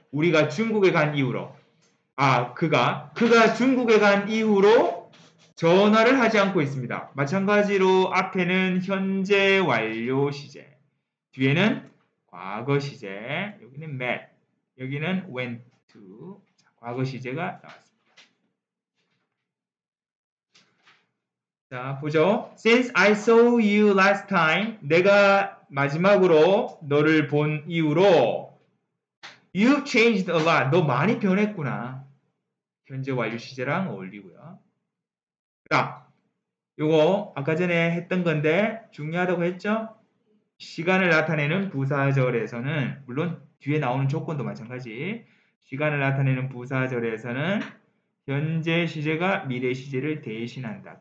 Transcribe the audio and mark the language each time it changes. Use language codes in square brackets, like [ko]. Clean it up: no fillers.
[ko] 우리가 중국에 간 이후로. 아, 그가 중국에 간 이후로 전화를 하지 않고 있습니다. 마찬가지로 앞에는 현재 완료 시제, 뒤에는 과거 시제, 여기는 met, 여기는 went to. 자, 과거 시제가 나왔습니다. 자, 보죠. [en] Since I saw you last time, [ko] 내가 마지막으로 너를 본 이후로 [en] you've changed a lot. [ko] 너 많이 변했구나. 현재 완료 시제랑 어울리고요. 자, 요거 아까 전에 했던 건데 중요하다고 했죠? 시간을 나타내는 부사절에서는 물론 뒤에 나오는 조건도 마찬가지. 시간을 나타내는 부사절에서는 현재 시제가 미래 시제를 대신한다.